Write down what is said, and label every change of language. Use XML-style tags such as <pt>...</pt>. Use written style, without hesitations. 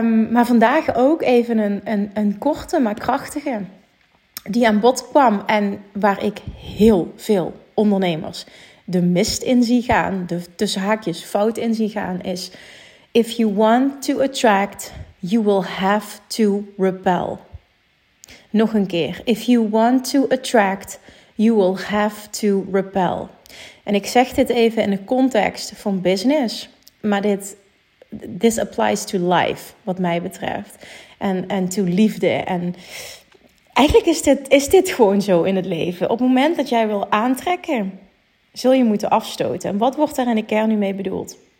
<nl>Maar vandaag ook even een korte, maar krachtige, die aan bod kwam en waar ik heel veel ondernemers de mist in zie gaan, de tussen haakjes fout in zie gaan, is:</nl> <en>if you want to attract, you will have to repel.</en> <nl>Nog een keer.</nl> <en>If you want to attract, you will have to repel.</en> <nl>En ik zeg dit even in de context van business, maar</nl> <en>this applies to life,</en> <nl>wat mij betreft. En to liefde. En eigenlijk is dit gewoon zo in het leven. Op het moment dat jij wil aantrekken, zul je moeten afstoten. En wat wordt daar in de kern nu mee bedoeld?</nl>